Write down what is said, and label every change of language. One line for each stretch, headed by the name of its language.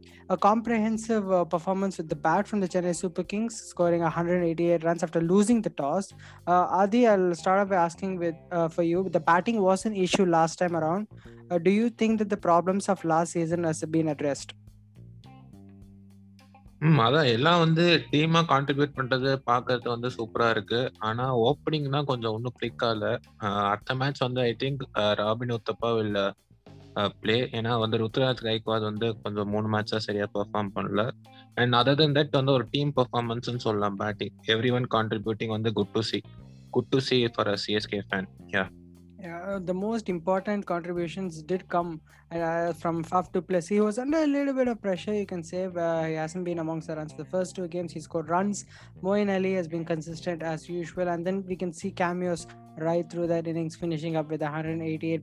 English: A comprehensive performance with the bat from the Chennai Super Kings, scoring 188 runs after losing the toss. Adi, I'll start off by asking for you, the batting was an issue last time around. Do you think that the problems of last season has been addressed?
Tamil: எல்லாம் வந்து டீமா contribute பண்றது பாக்கிறது வந்து சூப்பரா இருக்கு. ஆனா ஓப்பனிங்னா கொஞ்சம் ஒன்னும் கிளிக் ஆகல. அடுத்த மேட்ச் வந்து
English: I think Robin Uthappa will play,
Tamil: ஏன்னா வந்து ருத்ராஜ் கைக்வாத் வந்து கொஞ்சம் மூணு மேட்சா சரியா பெர்ஃபார்ம் பண்ணல.
English: And other then that வந்து ஒரு team performance சொல்லலாம். பேட்டிங் எவ்ரி ஒன் கான்ட்ரிபியூட்டிங் வந்து good to see for a CSK fan. Yeah, the most important contributions did come from Faf du Plessis. He was under a little bit of pressure, you can say. He hasn't been amongst the runs for the first two games. He scored runs. Moeen Ali has been consistent as usual. And then we can see cameos right through that innings, finishing up with 188.